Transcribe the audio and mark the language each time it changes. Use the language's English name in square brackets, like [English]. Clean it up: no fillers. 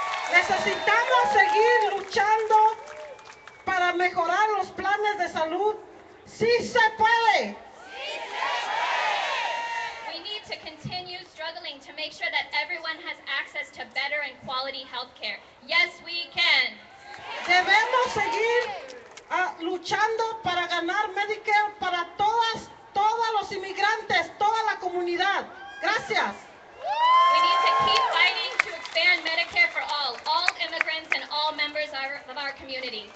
[Spanish] Necesitamos seguir luchando para mejorar los planes de salud. ¡Sí se puede! [English] To continue struggling to make sure that everyone has access to better and quality health care. Yes, we can. [Spanish] Debemos seguir luchando para ganar Medicare para todas, todos los inmigrantes, toda la comunidad. Gracias. [English] We need to keep fighting to expand Medicare for all immigrants and all members of our community.